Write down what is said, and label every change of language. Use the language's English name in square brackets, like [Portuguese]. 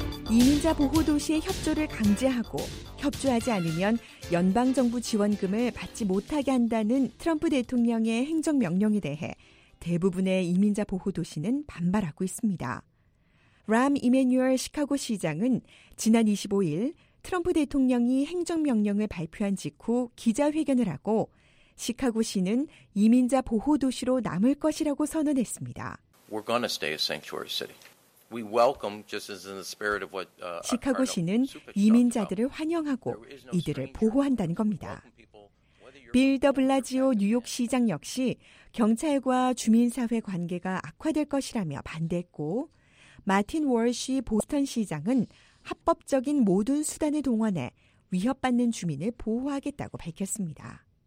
[Korean] 이민자 보호도시의 협조를 강제하고 협조하지 않으면 연방정부 지원금을 받지 못하게 한다는 트럼프 대통령의 행정명령에 대해 대부분의 이민자 보호도시는 반발하고 있습니다. 람 이메뉴얼 시카고 시장은 지난 25일 트럼프 대통령이 행정명령을 발표한 직후 기자회견을 하고 시카고시는 이민자 보호도시로 남을 것이라고 선언했습니다. [English] We're gonna stay a sanctuary city. We welcome just as in the spirit of what [Korean] 시카고시는 이민자들을 환영하고 이들을 보호한다는 겁니다. 빌 더블라지오 뉴욕 시장 역시 경찰과 주민사회 관계가 악화될 것이라며 반대했고 마틴 월시 보스턴 시장은 합법적인 모든 수단을 동원해 위협받는 주민을 보호하겠다고 밝혔습니다.